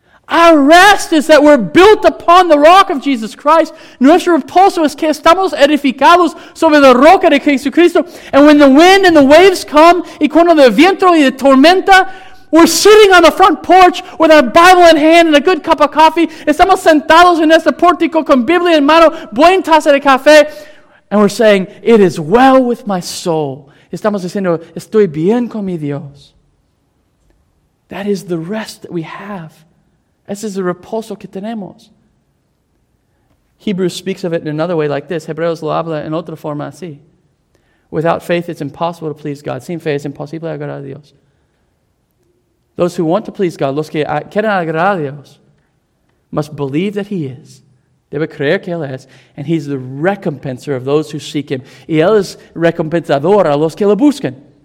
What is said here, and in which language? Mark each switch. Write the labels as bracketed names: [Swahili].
[English] Our rest is that we're built upon the rock of Jesus Christ. [Spanish] Nuestro reposo es que estamos edificados sobre la roca de Jesucristo. [English] And when the wind and the waves come, [Spanish] y cuando el viento y la tormenta, [English] we're sitting on the front porch with a Bible in hand and a good cup of coffee. [Spanish] Estamos sentados en este pórtico con Biblia en mano, buena taza de café. [English] And we're saying, it is well with my soul. [Spanish] Estamos diciendo, estoy bien con mi Dios. [English] That is the rest that we have. [Spanish] Ese es el reposo que tenemos. [English] Hebrews speaks of it in another way like this. [Spanish] Hebreos lo habla en otra forma así. [English] Without faith, it's impossible to please God. [Spanish] Sin fe, es imposible agradar a Dios. [English] Those who want to please God, [Spanish] los que quieren agradar a Dios, [English] must believe that He is. [Spanish] Debe creer que Él es. [English] And He's the recompenser of those who seek Him. [Spanish] Y Él es recompensador a los que lo buscan.